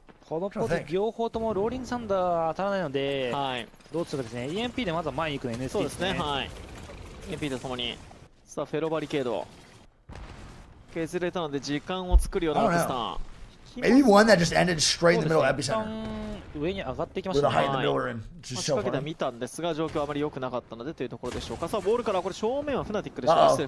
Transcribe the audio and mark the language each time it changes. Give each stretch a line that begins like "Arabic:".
Japanese: このポジ両方ともローリングサンダー当たらないので、はい、どうするかですね。EMP でまずは前に行くの NSC ですね。はい。EMP とともに。さあ、フェロバリケード。削れたので時間を作るようなスタン。
English: Maybe one that just ended straight in the middle epicenter.
Japanese: 上に上がってきました
English: ね。With a high in the middle rim.
Japanese: ちょっと仕掛けて見たんですが、状況あまり良くなかったのでというところでしょうか。さあ、ボールからこれ正面はフナティックでした。